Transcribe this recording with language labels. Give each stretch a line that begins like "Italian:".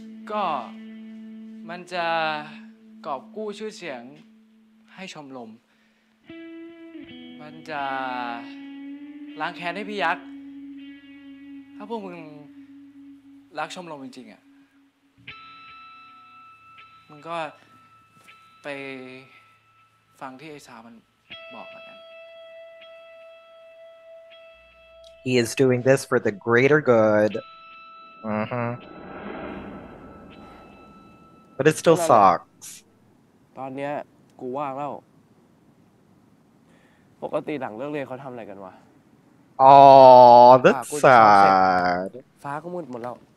Thai: ก็มันจะกอบกู้ชื่อเสียงให้ชมรมมันจะล้างแค้นให้พี่ยักษ์ถ้าพวกมึงรักชมรมจริงๆอ่ะมึงก็ไปฟังที่ไอ้สาวมันบอกแล้วกัน
English: He is doing this for the greater good But it still sucks.
Thai: ตอนนี้กูว่างแล้วปกติหลังเลิกเรียนเขาทำอะไรกันวะ
English: อ๋อ that's sad.
Thai: ฟ้าก็มืดหมดแล้ว